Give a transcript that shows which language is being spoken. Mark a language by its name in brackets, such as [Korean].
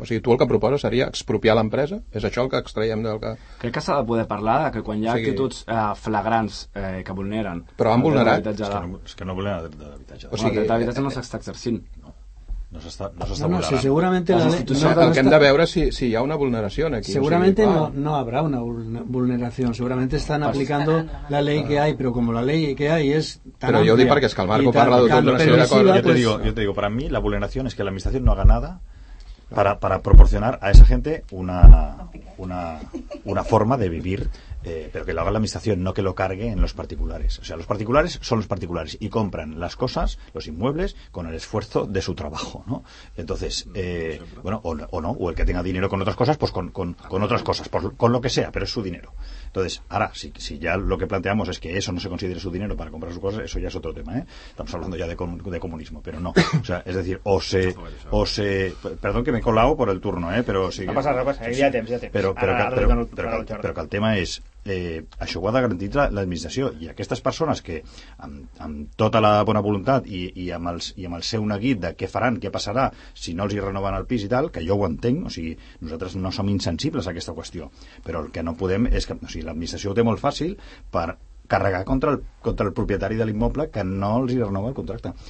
[Catalan] O sigui, tu el que proposes seria expropiar l'empresa? És això el que extraiem del que... Crec que s'ha de poder parlar de que quan hi ha actituds flagrants que vulneren... Però han vulnerat? És que no vulneren el dret de l'habitatge. O sigui, el dret de l'habitatge no s'està exercint. No s'està vulnerant. Si segurament la institució... No, el que hem de veure si hi ha una vulneració aquí. Segurament o sigui, no habrá una vulneració. Segurament estan [Spanish] aplicando la ley que hay, pero como la ley que hay es tan... Pero yo digo porque es que el Marco parla de una serie de cosas. Yo te digo, para mí la vulneración es que la administración no haga nada para proporcionar a esa gente una forma de vivir, pero que lo haga la administración, no que lo cargue en los particulares. O sea, los particulares son los particulares y compran las cosas, los inmuebles, con el esfuerzo de su trabajo, ¿no? Entonces, bueno, o el que tenga dinero con otras cosas, pues con otras cosas, con lo que sea, pero es su dinero. Entonces, ahora, si ya lo que planteamos es que eso no se considere su dinero para comprar sus cosas, eso ya es otro tema, ¿eh? Estamos hablando ya de comunismo, pero no. O sea, es decir, o se... Perdón que me he colado por el turno, ¿eh? Pero sí. No pasa, ya tienes. Pero que el tema es... [Catalan] això ho ha de garantir l'administració, i aquestes persones que amb tota la bona voluntat i amb el seu neguit de què faran, què passarà si no els hi renoven el pis i tal, que jo ho entenc, o sigui, nosaltres no som insensibles a aquesta qüestió, però el que no podem és que, o sigui, l'administració ho té molt fàcil per carregar contra el propietari de l'immoble que no els hi renova el contracte.